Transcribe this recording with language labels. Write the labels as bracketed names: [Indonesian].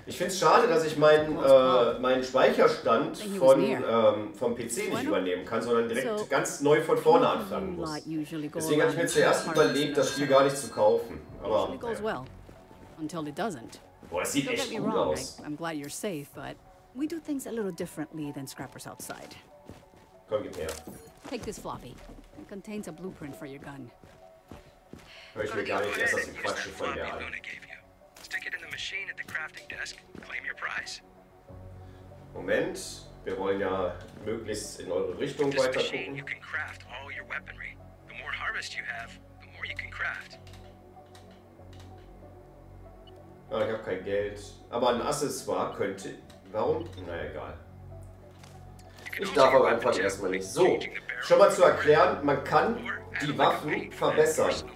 [German] Ich finde es schade, dass ich meinen Speicherstand vom PC nicht übernehmen kann, sondern direkt ganz neu von vorne anfangen muss. Deswegen habe ich mir zuerst überlegt, das Spiel gar nicht zu kaufen. Aber [English] until it doesn't. [German] Boah, es sieht echt gut aus. [English] I'm glad you're safe, but we do things a little differently than scrappers outside. [German] Komm, gib her. [English] Take this floppy. It contains a blueprint for your gun. [German] Hör ich mir gar nicht erst aus dem Quatsch von der an. [English] Stick it in the machine at the crafting desk. Claim your prize. [German] Moment, wir wollen ja möglichst in eure Richtung weiter gucken. [English] This machine, you can craft all your weaponry. The more harvest you have, the more you can craft. [German] Ah, ich habe kein Geld. Aber ein Accessoire könnte. Warum? Na egal. Ich darf aber einfach erstmal nicht. So, schon mal zu erklären, man kann die Waffen verbessern.